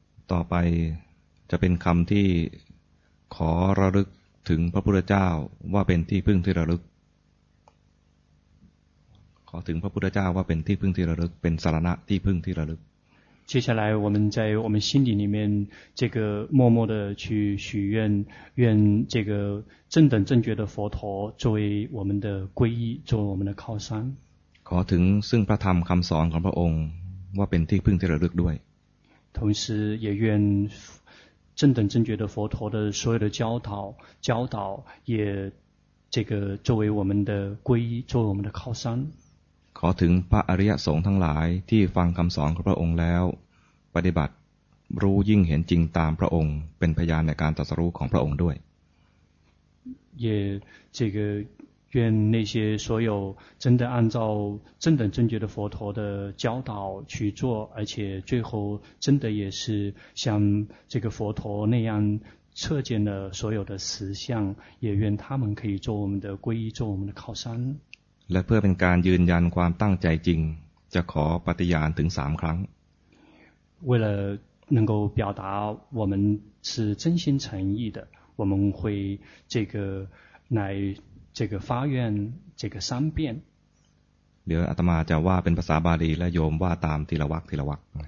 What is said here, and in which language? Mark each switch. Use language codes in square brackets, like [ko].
[th] ต่อไปจะเป็นคำที่ขอระลึกถึงพระพุทธเจ้าว่าเป็นที่พึ่งที่ระลึกขอถึงพระพุทธเจ้าว่าเป็นที่พึ่งที่ระลึกเป็นสรณะที่พึ่งที่ระลึก [zh] 接下来我们在我们心底里面这个默默的去许愿，愿这个正等正觉的佛陀作为我们的皈依，作为我们的靠山。 [th] ขอถึงซึ่งพระธรรมคำสอนของพระองค์ว่าเป็นที่พึ่งที่ระลึกด้วย [zh] 同时也愿正等正觉的佛陀的所有的教导，教导也这个作为我们的皈依，作为我们的靠山。 [th] ขอถึงพระอริยสงฆ์ทั้งหลายที่ฟังคำสอนของพระองค์แล้วปฏิบัติรู้ยิ่งเห็นจริงตามพระองค์เป็นพยานในการตรัสรู้ของพระองค์ด้วย。 [zh] 也这个愿那些所有真的按照正等正觉的佛陀的教导去做，而且最后真的也是像这个佛陀那样测见了所有的实相，也愿他们可以做我们的皈依，做我们的靠山。 [th] และเพื่อเป็นการยืนยันความตั้งใจจริงจะขอปฏิญาณถึงสามครั้ง [zh] 为了能够表达我们是真心诚意的，我们会这个来这个发愿这个三遍 [th] เดี๋ยวอาตมาจะว่าเป็นภาษาบาลีและโยมว่าตามทีละวรรคทีละวรรค